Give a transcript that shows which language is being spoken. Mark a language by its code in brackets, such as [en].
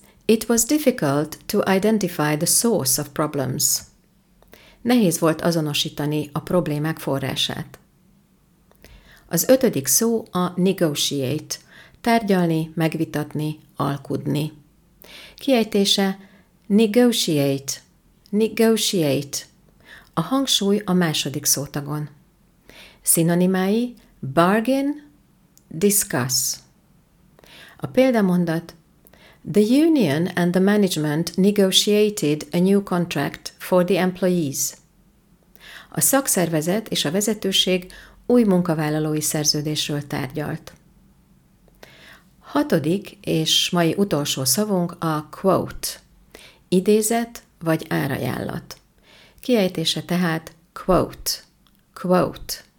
[en] It was difficult to identify the source of problems. [hu] Nehéz volt azonosítani a problémák forrását. Az ötödik szó a negotiate. Tárgyalni, megvitatni, alkudni. Kiejtése negotiate, negotiate. A hangsúly a második szótagon. Szinonimái bargain, discuss. A példamondat [en] The union and the management negotiated a new contract for the employees. [hu] A szakszervezet és a vezetőség új munkavállalói szerződésről tárgyalt. Hatodik és mai utolsó szavunk a quote. Idézet vagy árajánlat. Kiejtése tehát quote. Quote.